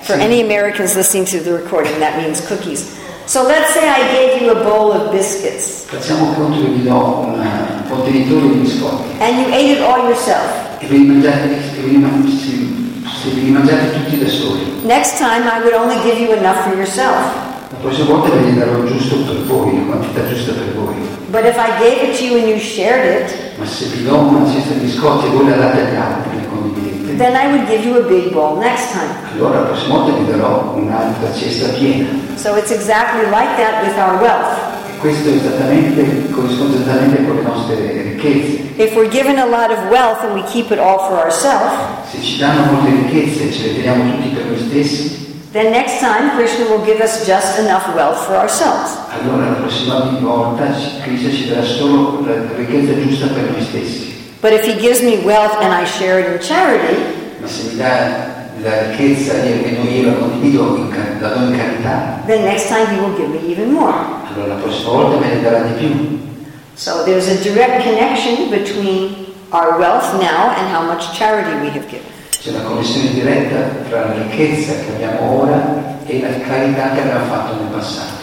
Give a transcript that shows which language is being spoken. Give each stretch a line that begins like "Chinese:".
English: For any Americans listening to the recording, that means cookies. So let's say I gave you a bowl of biscuits.
Italian: Facciamo conto che vi do un contenitore di biscotti.
English: And you ate it all yourself.
Italian: Se li mangiate tutti da soli.
English: Next time I would only give you enough for yourself.
Italian: La prossima volta ve ne darò giusto per voi, la quantità giusta per voi.
English: But if I gave it to you and you shared it,
Italian: ma se vi do una cesta di biscotti e voi la date agli altri,
English: then I would give you a big bowl next time.
Italian: Allora, la prossima volta vi darò un'altra cesta piena.
English: So it's exactly like that with our wealth.
Italian: E questo esattamente corrisponde esattamente con le nostre ricchezze.
English: If we're given a lot of wealth and we keep it all for ourselves,
Italian: se ci danno molte ricchezze e ce le teniamo tutti per noi stessi,
English: then next time Krishna will give us just enough wealth for ourselves.
Italian: Allora, la prossima volta Krishna ci darà solo la ricchezza giusta per noi stessi.
English: But if he gives me wealth and I share it in charity,
Italian: ma se mi dà la ricchezza di che noi io la condivido la do in carità,
English: then next time he will give me even more.
Italian: Allora la prossima volta me ne darà di più.
English: So there's a direct connection between our wealth now and how much charity we have given.
Italian: C'è una connessione diretta tra la ricchezza che abbiamo ora e la carità che abbiamo fatto nel passato.